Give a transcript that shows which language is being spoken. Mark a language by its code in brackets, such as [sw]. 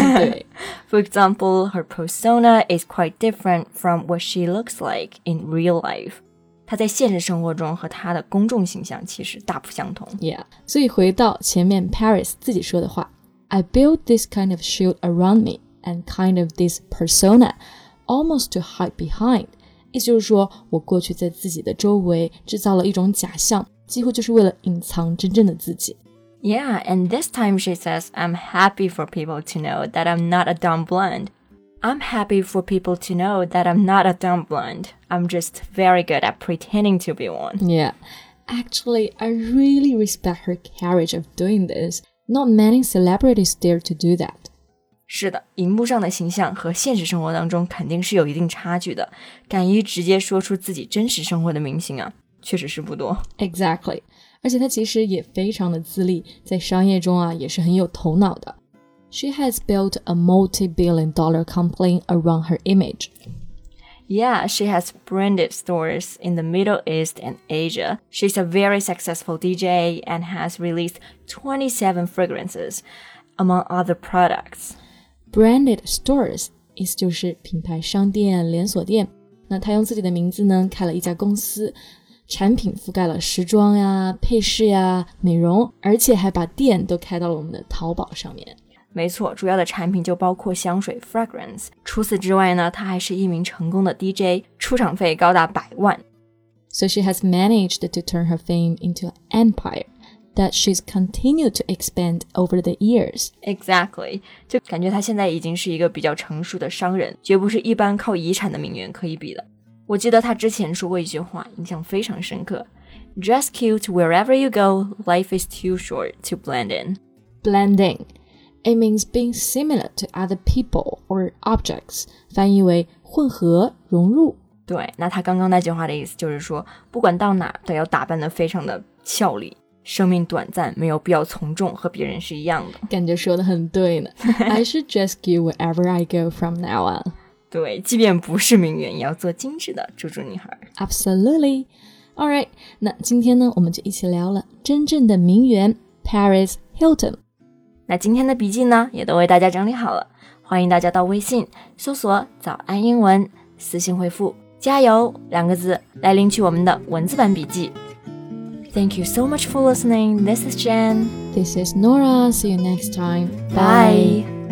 [zh] 对。 [en] For example, her persona is quite different from what she looks like in real life. [zh] 她在现实生活中和她的公众形象其实大不相同。 [en] Yeah. [zh] 所以回到前面 Paris 自己说的话， [en] I built this kind of shield around me and kind of this persona almost to hide behind. [zh] 意思就是说我过去在自己的周围制造了一种假象，几乎就是为了隐藏真正的自己。 [en] Yeah, and this time she says, I'm happy for people to know that I'm not a dumb blonde. I'm happy for people to know that I'm not a dumb blonde. I'm just very good at pretending to be one. Yeah, actually, I really respect her courage of doing this. Not many celebrities dare to do that. [zh] 是的，荧幕上的形象和现实生活当中肯定是有一定差距的。敢于直接说出自己真实生活的明星啊，确实是不多。 [en] Exactly. [zh] 而且她其实也非常的自立，在商业中啊也是很有头脑的。 [en] She has built a multi-billion dollar company around her image. Yeah, she has branded stores in the Middle East and Asia. She's a very successful DJ and has released 27 fragrances among other products. Branded stores [zh] 意思就是品牌商店、连锁店。那她用自己的名字呢开了一家公司，产品覆盖了时装呀、配饰呀、美容，而且还把店都开到了我们的淘宝上面。没错，主要的产品就包括香水 fragrance。除此之外呢，她还是一名成功的 DJ， 出场费高达百万。 [en] So she has managed to turn her fame into an empire that she's continued to expand over the years. Exactly， [zh] 就感觉她现在已经是一个比较成熟的商人，绝不是一般靠遗产的名媛可以比的。我记得他之前说过一句话，印象非常深刻。 [en] Dress cute wherever you go, life is too short to blend in. Blending, it means being similar to other people or objects. [zh] 翻译为混合、融入。对，那他刚刚那句话的意思就是说，不管到哪都要打扮得非常的俏丽。生命短暂，没有必要从众，和别人是一样的。感觉说得很对呢。 [en] I should dress cute wherever I go from now on. [zh] 对，即便不是名媛，也要做精致的猪猪女孩。 [en] Absolutely. All right. [zh] 那今天呢，我们就一起聊了真正的名媛 Paris Hilton。那今天的笔记呢，也都为大家整理好了。欢迎大家到微信搜索“早安英文”，私信回复“加油”两个字来领取我们的文字版笔记。 [en] Thank you so much for listening. This is Jen. This is Nora. See you next time. Bye.